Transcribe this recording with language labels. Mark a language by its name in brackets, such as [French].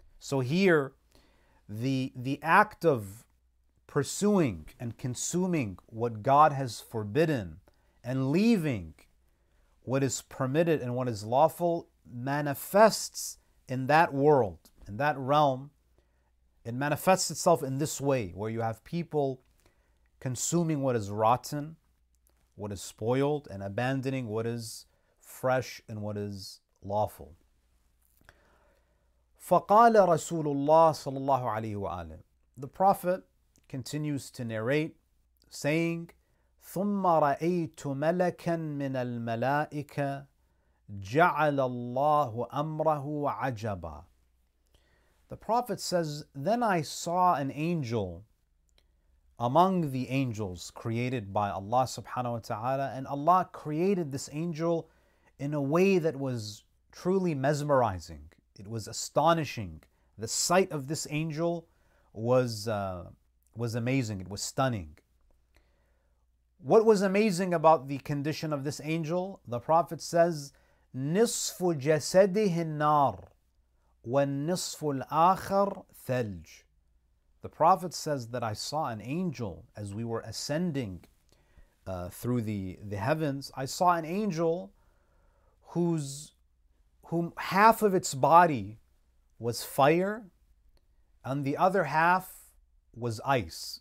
[English] So here, the act of pursuing and consuming what God has forbidden and leaving what is permitted and what is lawful manifests in that world, in that realm. It manifests itself in this way, where you have people consuming what is rotten, what is spoiled, and abandoning what is fresh and what is lawful. [Arabic] فَقَالَ رَسُولُ اللَّهِ صَلَى اللَّهُ عَلَيْهُ وَآلِهِ. [English] The Prophet continues to narrate, saying, [Arabic] ثُمَّ رَأَيْتُ مَلَكًا مِنَ الْمَلَائِكَ جَعَلَ اللَّهُ أَمْرَهُ عَجَبًا. [English] The Prophet says, then I saw an angel among the angels created by Allah subhanahu wa ta'ala, and Allah created this angel in a way that was truly mesmerizing. It was astonishing. The sight of this angel was amazing. It was stunning. What was amazing about the condition of this angel? The Prophet says, [Arabic] نِصْفُ جَسَدِهِ النَّارِ وَالنِّصْفُ الْآخَرِ ثَلْجِ. [English] The Prophet says that I saw an angel as we were ascending through the heavens. I saw an angel whom half of its body was fire and the other half was ice.